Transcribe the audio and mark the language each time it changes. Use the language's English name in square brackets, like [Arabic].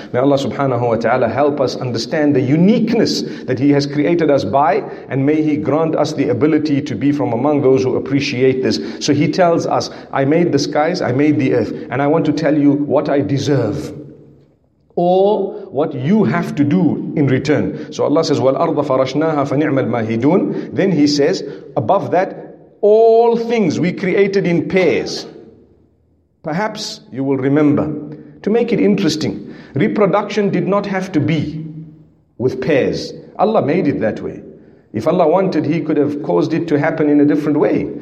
[English] May Allah subhanahu wa ta'ala help us understand the uniqueness that He has created us by, and may He grant us the ability to be from among those who appreciate this. So He tells us, I made the skies, I made the earth, and I want to tell you what I deserve, or what you have to do in return. So Allah says, [Arabic] وَالْأَرْضَ فَرَشْنَاهَا فَنِعْمَ الْمَاهِدُونَ. [English] Then He says, above that, all things we created in pairs. Perhaps you will remember, to make it interesting, reproduction did not have to be with pairs. Allah made it that way. If Allah wanted, He could have caused it to happen in a different way.